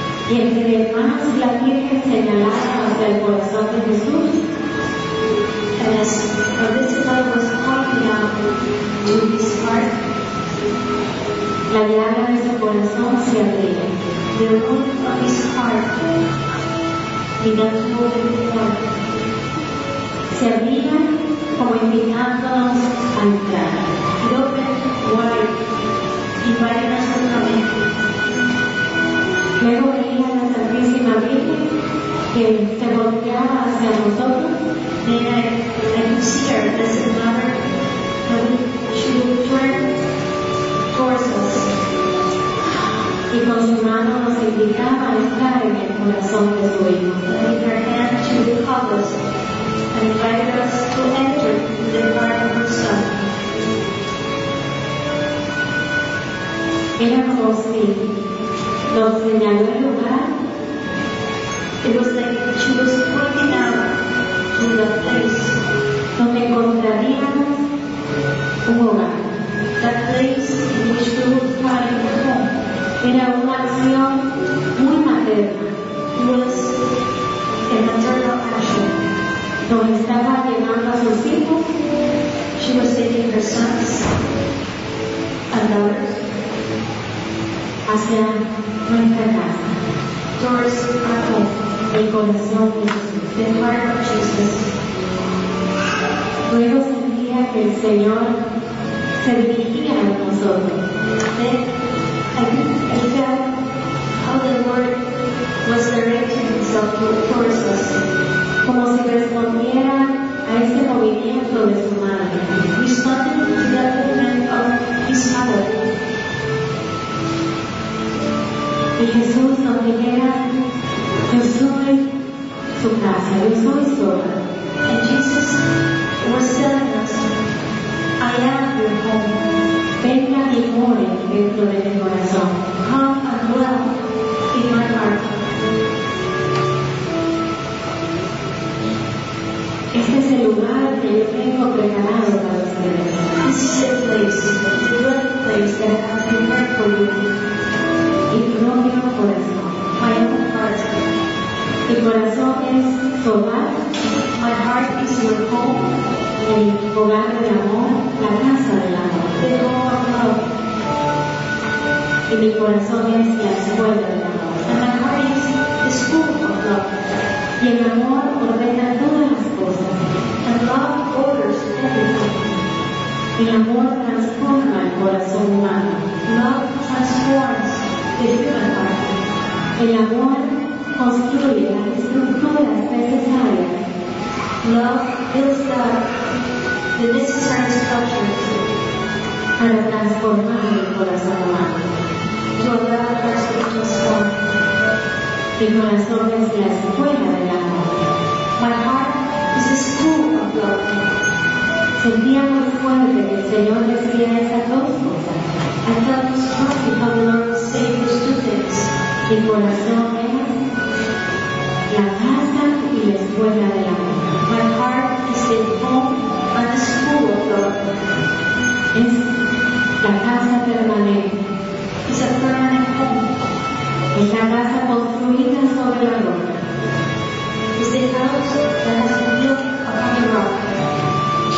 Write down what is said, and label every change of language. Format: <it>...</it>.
<es>Y entre más la Virgen señalaba hacia el corazón de Jesús,</es> <en>as the Blessed Mother was pointing out to his heart,</en> <es>la llaga de su corazón se abría.</es> <en>The wound of his heart began to open up.</en> <es>Se abría como invitándonos a entrar.</es> <en>It opened wide, inviting us to come in.</en> <es>Luego veía a la Santísima Virgen que se volteaba hacia nosotros.</es> <en>Then I could see her, the Blessed Mother, when she would turn towards us.</en> <es>Y con su mano nos indicaba estar en el corazón de su hijo.</es> <en>With her hand, she would call us and invite us to enter the heart of her son.</en> <es>Era como si nos señaló el lugar.</es> <en>It was like she was pointing out to the place</en> <es>donde encontraríamos un hogar.</es> <en>That place in which we would find a home.</en> <es>Era una acción muy materna.</es> <en>It was a maternal action.</en> <es>Donde estaba llevando a sus hijos.</es> <en>She was taking her sons and daughters</en> <es>hacia nuestra casa,</es> <en>towards our home,</en> <es>el corazón de Jesús,</es> <en>the heart of Jesus.</en> <es>Luego sentía que el Señor se dirigía a nosotros.</es> <en>Then I felt how the Lord was directing himself towards us,</en> <es>como si respondiera a ese movimiento de su madre.</es> <en>Responding to that movement of his mother.</en> <es>Y Jesús nos dijera, yo soy su casa, yo soy su hogar.</es> <en>And Jesus was telling us, I am your home.</en> <es>Venga y more dentro de mi corazón.</es> <en>Come and dwell in my heart.</en> <es>Este es el lugar que yo tengo preparado para ustedes.</es> <en>This is the place, the dwelling place that I have prepared for you.</en> <es>Y tu propio corazón.</es> <en>My own heart.</en> <es>Tu corazón es tu hogar.</es> <en>My heart is your home.</en> <es>El hogar del amor, la casa del amor.</es> <en>The home of love.</en> <es>Y mi corazón es la escuela del amor.</es> <en>And my heart is the school of love.</en> <es>Y el amor ordena todas las cosas.</es> <en>And love orders everything.</en> <es>El amor transforma el corazón humano.</es> <en>Love transforms.</en> <es>El amor construye las estructuras necesarias.</es> <en>Love builds up</en> <es>que necesitamos cambiar para transformar el corazón humano. Tu amor nos transforma. El corazón es la escuela del amor.</es> <en>My heart is a school of love.</en> <es>Sentíamos fuerte que el Señor decía esas dos</es> <en>cosas. I felt strongly how the Lord said those two things.</en> <es>El corazón es la casa y la escuela del amor.</es> <en>My heart is the home and the school of love.</en> <es>Es la casa permanente.</es> <en>It's a permanent home.</en> <es>Es la casa construida sobre la roca.</es> <en>It's the house that has been built upon the rock.</en>